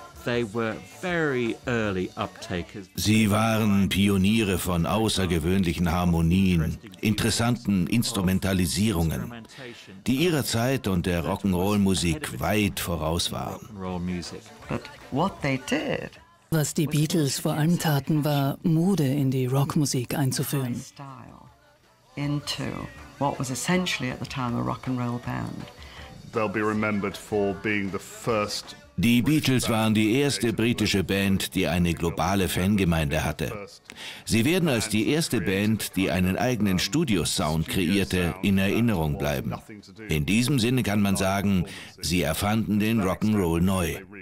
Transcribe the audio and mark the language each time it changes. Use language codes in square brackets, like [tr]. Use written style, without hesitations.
[de] Sie waren Pioniere von außergewöhnlichen Harmonien, interessanten Instrumentalisierungen, die ihrer Zeit und der Rock'n'Roll-Musik weit voraus waren. Was die Beatles vor allem taten, war, Mode in die Rockmusik einzuführen. [en] What was essentially at the time a rock and roll band. They'll be remembered for being the first. [de] Die Beatles waren die erste britische Band, die eine globale Fangemeinde hatte. Sie werden als die erste Band, die einen eigenen Studiosound kreierte, in Erinnerung bleiben. In diesem Sinne kann man sagen, sie erfanden den Rock'n'Roll neu.